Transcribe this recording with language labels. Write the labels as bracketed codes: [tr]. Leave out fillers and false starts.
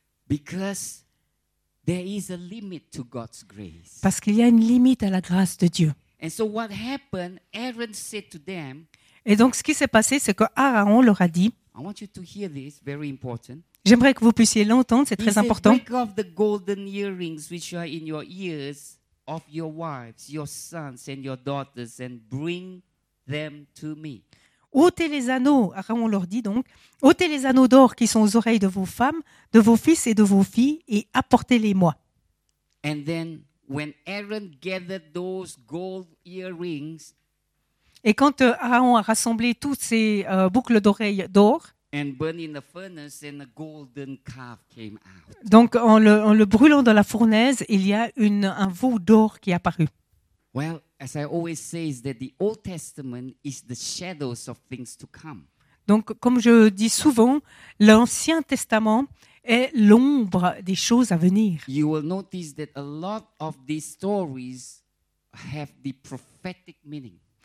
[en] Because there is a limit to God's grace. [fr] Parce qu'il y a une limite à la grâce de Dieu. [en] And so what happened, Aaron said to them, [fr] et donc ce qui s'est passé, c'est que Aaron leur a dit, [en] I want you to hear this, very important. [fr] J'aimerais que vous puissiez l'entendre, c'est [en] he [fr] très [en] said, [fr] important. [en] Break off the golden earrings which are in your ears of your wives, your sons and your daughters and bring them to me. [fr] Ôtez les anneaux, Aaron leur dit donc, ôtez les anneaux d'or qui sont aux oreilles de vos femmes, de vos fils et de vos filles et apportez-les-moi. [en] And then when Aaron gathered those gold earrings, [fr] et quand Aaron a rassemblé toutes ces boucles d'oreilles d'or, [en] and burned in the furnace and a golden calf came out. [fr] Donc en le brûlant dans la fournaise, il y a un veau d'or qui est apparu. [en] Well, as I always say, is that the Old Testament is the shadows of things to come. [fr] Donc, comme je dis souvent, l'Ancien Testament est l'ombre des choses à venir. [en] You will notice that a lot of these stories have the prophetic meaning.